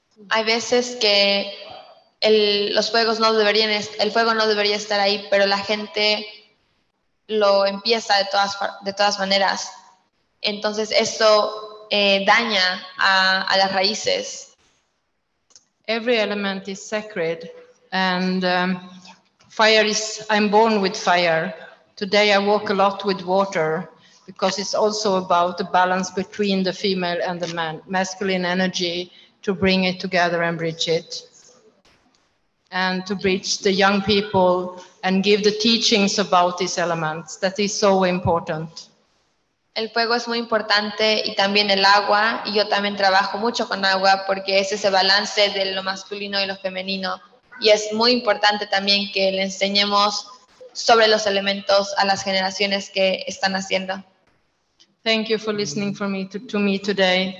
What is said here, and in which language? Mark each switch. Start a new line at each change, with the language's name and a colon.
Spanish: Hay veces que el fuego no debería estar ahí, pero la gente lo empieza de todas maneras. Entonces eso daña a las raíces.
English: Every element is sacred, and fire is, I'm born with fire. Today I walk a lot with water, because it's also about the balance between the female and the man, masculine energy, to bring it together and bridge it. And to bridge the young people and give the teachings about these elements, that is so important.
Spanish: El fuego es muy importante y también el agua, y yo también trabajo mucho con agua porque es ese balance de lo masculino y lo femenino. Y es muy importante también que le enseñemos sobre los elementos a las generaciones que están haciendo.
English: Thank you for listening for me to me today.